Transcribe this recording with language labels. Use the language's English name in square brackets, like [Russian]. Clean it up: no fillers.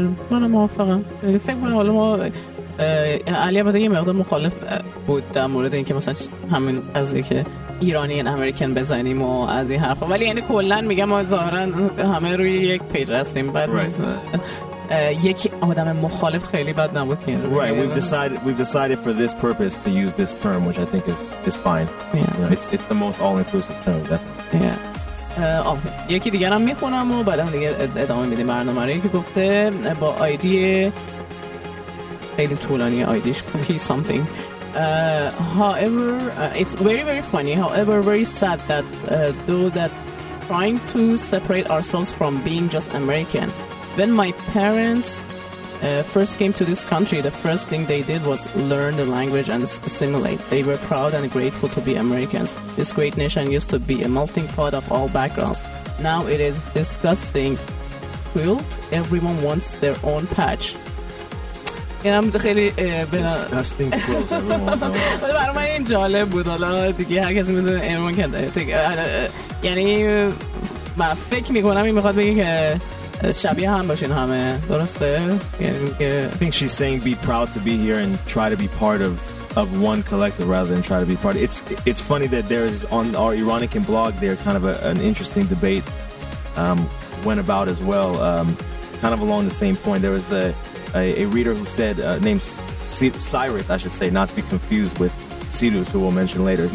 [Persian] من موافقم، فکر میکنم حالا ما علی هم یه مقدار مخالف بود در مورد اینکه مثلا همین قضیه که ایرانی ان امریکن بزنیم و از این حرفا، ولی یعنی کلا میگم ما ظاهرا همه روی یک پیج هستیم، بعد یک آدم مخالف خیلی بد نبود که [English] we've decided for this purpose to use this term, which I think is fine. It's the most all inclusive term, definitely. [Persian] یکی دیگه هم میخونم و بعدم دیگه ادامه میدیم برنامه رو. یکی گفته با آیدی خیلی طولانی آیدیش کوکی سامثینگ، [English] however, it's very very funny. However, very sad that though that trying to separate ourselves from being just American. When my parents first came to this country, the first thing they did was learn the language and assimilate. They were proud and grateful to be Americans. This great nation used to be a melting pot of all backgrounds. Now it is disgusting quilt. Everyone wants their own patch. [Persian] این هم خیلی بنا برای من این جالب بود. حالا دیگه هر کسی میدونه ایرون کنده، یعنی من فکر میکنم این میخواد بگی که شبیه هم باشین همه، درسته؟ [English] I think she's saying be proud to be here and try to be part of one collective rather than try to be part. It's funny that there is on our Iranican blog there kind of an interesting debate went about as well, kind of along the same point. There was a reader who said, named Cyrus, I should say, not to be confused with Cyrus, who we'll mention later.